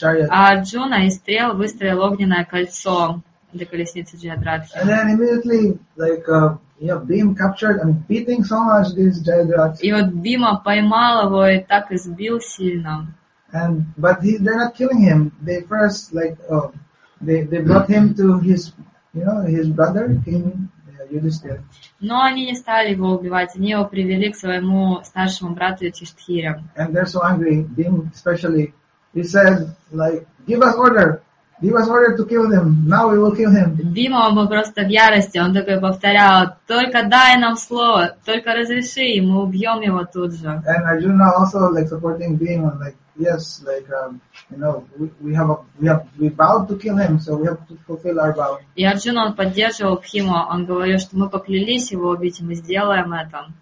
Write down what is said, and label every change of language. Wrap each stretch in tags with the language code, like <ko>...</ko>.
<ru>Арджуна из стрел выстроил огненное кольцо для колесницы Джаядратхи.</ru> <en>And then immediately, Бхим captured and beating so much this Джаядратхи.</en> <ru>И вот Бхима поймал его и так избил сильно.</ru> <en>And but they're not killing him. They first they brought him to his, his brother, King Yudhisthira.</en> <ru>Но они не стали его убивать. Они его привели к своему старшему брату Юдхиштхире.</ru> <en>And they're so angry, Bhim especially. He said, give us order. Bhima was ordered to kill him. Now we will kill him.</en> <ru>Bhima was просто в ярости. Он такой повторял: только дай нам слово, только разреши, и мы убьем его тут же.</ru> <en>And Arjuna also supporting Bhima, we vowed to kill him, so we have to fulfill our vow.</en> <ru>И Арджуна поддерживал Бхиму. Он говорил, что мы поклялись его убить, и мы сделаем это.</ru>